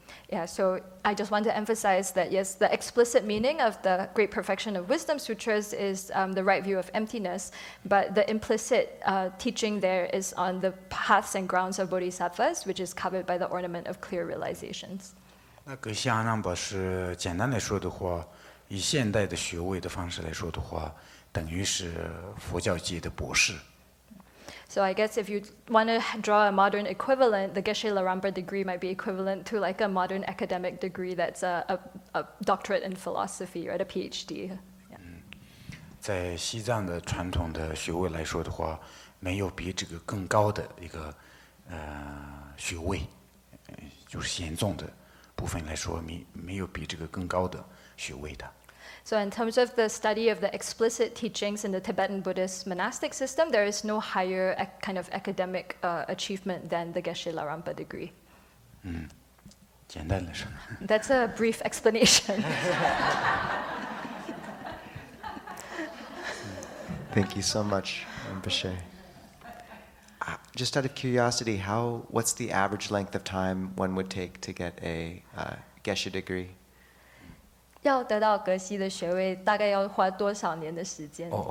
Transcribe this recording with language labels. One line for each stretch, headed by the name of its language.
English: Yeah, so I just want to emphasize that, yes, the explicit meaning of the Great Perfection of Wisdom Sutras is the right view of emptiness, but the implicit teaching there is on the paths and grounds of bodhisattvas, which is covered by the ornament of clear realizations.
Chinese: 那格西阿难巴是简单来说的话，以现代的学位的方式来说的话，等于是佛教界的博士。
English: So I guess if you want to draw a modern equivalent, the Geshe Larampa degree might be equivalent to like a modern academic degree that's a doctorate in philosophy, right? A PhD. Yeah.
Chinese: 在西藏的传统的学位来说的话，没有比这个更高的一个学位，就是显宗的部分来说，没有比这个更高的学位的。
English: So in terms of the study of the explicit teachings in the Tibetan Buddhist monastic system, there is no higher kind of academic achievement than the Geshe Larampa degree.
Chinese: 简单的说。
English: That's a brief explanation. Thank you so much, Rinpoche. Just out of curiosity, what's the average length of time one would take to get a Geshe degree?
Chinese: 要得到格西的学位大概要花多少年的时间